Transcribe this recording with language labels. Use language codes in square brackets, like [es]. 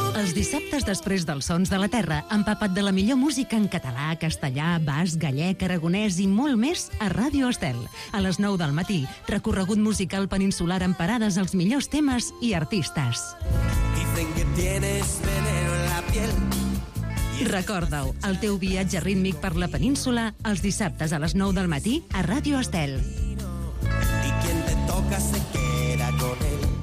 [ca] Dissabtes després dels Sons de la Terra, empapat de la millor música en català, castellà, basc, gallec, aragonès i molt més a Ràdio Estel. A les 9 del matí, recorregut musical peninsular amb parades als millors temes i artistes. [es] Dicen que tienes veneno en la piel. [ca] Recorda-ho, el teu viatge rítmic per la península els dissabtes a les 9 del matí a Ràdio Estel. [es] Y quien te toca se queda con él.